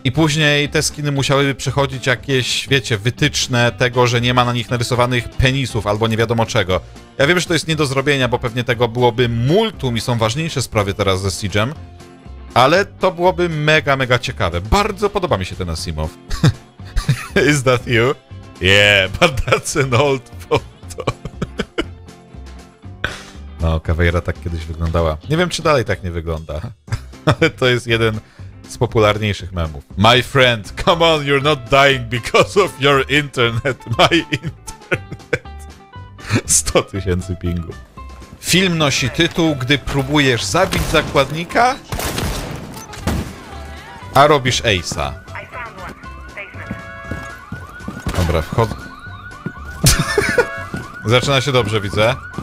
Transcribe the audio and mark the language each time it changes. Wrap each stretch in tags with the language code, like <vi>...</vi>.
<pl>I później te skiny musiałyby przechodzić jakieś, wiecie, wytyczne tego, że nie ma na nich narysowanych penisów albo nie wiadomo czego. Ja wiem, że to jest nie do zrobienia, bo pewnie tego byłoby multum i są ważniejsze sprawy teraz ze Siege'em. Ale to byłoby mega, mega ciekawe. Bardzo podoba mi się ten Asimov.</pl> <en>Is that you? Yeah, but that's an old photo.</en> <pl>No, Caveira tak kiedyś wyglądała. Nie wiem, czy dalej tak nie wygląda. Ale to jest jeden z popularniejszych memów.</pl> <en>My friend, come on, you're not dying because of your internet. My internet.</en> <pl>100 tysięcy pingu. Film nosi tytuł, gdy próbujesz zabić zakładnika, a robisz Ace'a. Dobra, wchodzę. Zaczyna się dobrze, widzę.</pl>